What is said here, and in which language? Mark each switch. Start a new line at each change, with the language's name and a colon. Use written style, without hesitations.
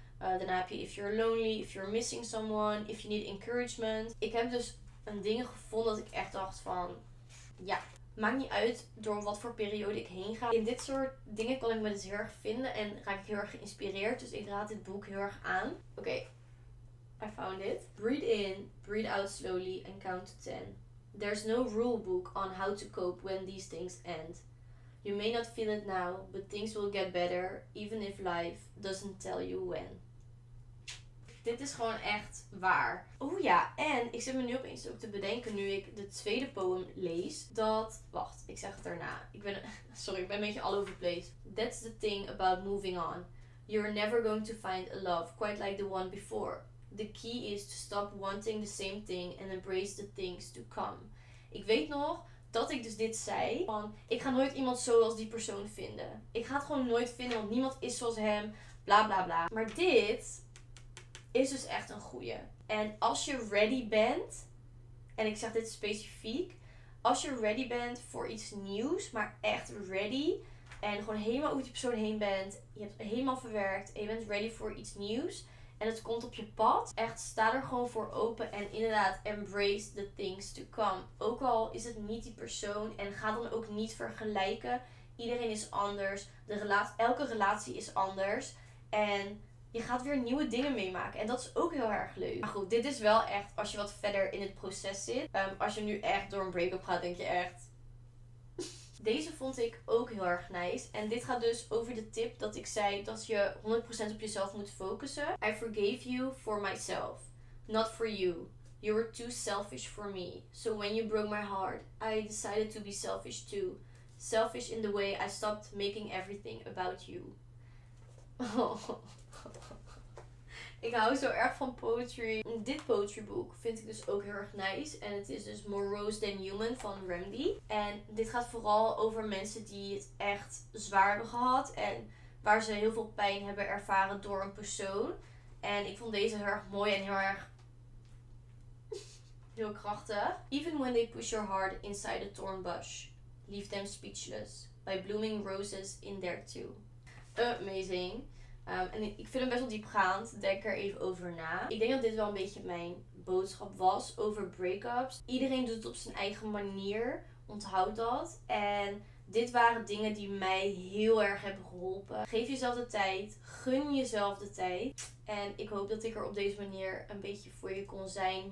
Dutch: Daarna heb je
English: If You're Lonely, If You're Missing Someone, If You Need Encouragement.
Dutch: Ik heb dus een ding gevonden dat ik echt dacht van, ja, maakt niet uit door wat voor periode ik heen ga. In dit soort dingen kan ik me dus heel erg vinden en raak ik heel erg geïnspireerd. Dus ik raad dit boek heel erg aan.
English: Oké, I found it. Breathe in, breathe out slowly and count to 10. There's no rule book on how to cope when these things end. You may not feel it now, but things will get better, even if life doesn't tell you when.
Dutch: Dit is gewoon echt waar. Oh ja, en ik zit me nu opeens ook te bedenken, nu ik de tweede poem lees, dat, wacht, ik zeg het daarna. Ik ben een beetje
English: all over the place. That's the thing about moving on. You're never going to find a love quite like the one before. The key is to stop wanting the same thing and embrace the things to come.
Dutch: Ik weet nog dat ik dus dit zei. Van, ik ga nooit iemand zoals die persoon vinden. Ik ga het gewoon nooit vinden, want niemand is zoals hem. Bla bla bla. Maar dit is dus echt een goeie. En als je ready bent, en ik zeg dit specifiek. Als je ready bent voor iets nieuws, maar echt ready. En gewoon helemaal over die persoon heen bent. Je hebt het helemaal verwerkt. En je bent ready voor iets nieuws. En het komt op je pad. Echt, sta er gewoon voor open. En inderdaad,
English: embrace the things to come.
Dutch: Ook al is het niet die persoon. En ga dan ook niet vergelijken. Iedereen is anders. Elke relatie is anders. En je gaat weer nieuwe dingen meemaken. En dat is ook heel erg leuk. Maar goed, dit is wel echt als je wat verder in het proces zit. Als je nu echt door een break-up gaat, denk je echt... Deze vond ik ook heel erg nice. En dit gaat dus over de tip dat ik zei dat je 100% op jezelf moet focussen.
English: I forgave you for myself, not for you. You were too selfish for me. So when you broke my heart, I decided to be selfish too. Selfish in the way I stopped making everything about you.
Dutch: Ik hou zo erg van poetry. Dit poetryboek vind ik dus ook heel erg nice. En het is dus Morose Than Human van Remedy. En dit gaat vooral over mensen die het echt zwaar hebben gehad. En waar ze heel veel pijn hebben ervaren door een persoon. En ik vond deze heel erg mooi en heel erg... heel krachtig.
English: Even when they push your heart inside a thorn bush, leave them speechless by blooming roses in there too. Amazing.
Dutch: En ik vind hem best wel diepgaand. Denk er even over na. Ik denk dat dit wel een beetje mijn boodschap was over breakups. Iedereen doet het op zijn eigen manier. Onthoud dat. En dit waren dingen die mij heel erg hebben geholpen. Geef jezelf de tijd. Gun jezelf de tijd. En ik hoop dat ik er op deze manier een beetje voor je kon zijn.